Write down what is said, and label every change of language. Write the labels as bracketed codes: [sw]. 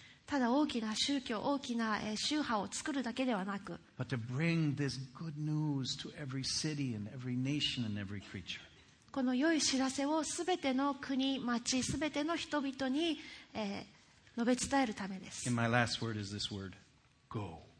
[ja] ただ大きな宗教、大きな、宗派を作るだけではなく、 [en] But to bring this good news to every city and every nation and every creature. [ja] この良い知らせをすべての国、町、すべての人々に、述べ伝えるためです。 [en] And my last word is this word, go.